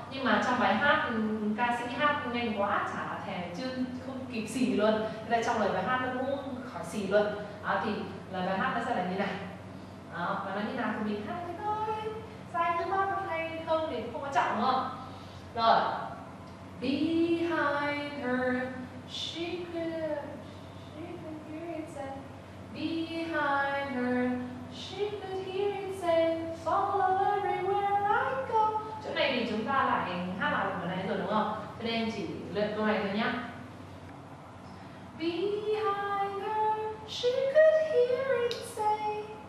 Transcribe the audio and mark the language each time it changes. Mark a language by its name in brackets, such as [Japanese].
[Vietnamese] Nhưng mà trong bài hát, ca sĩ hát nhanh quá, chả thè chứ không kịp xỉ luôn. Thế là trong lời bài hát nó cũng khó xỉ luôn. Thì lời bài hát nó sẽ là như này. Đó, và nó như nào thì mình hát thôi. Sai ngữ pháp hay không thì không có trọng đúng không? Rồi. [English] Behind her, she could hear it say. Behind her, she could hear it say. Follow everywhere I go. [Vietnamese] Chỗ này thì chúng ta lại hát lại bài này rồi đúng không? Cho nên chỉ luyện câu này thôi nhá. [English] Behind her, she could hear it say.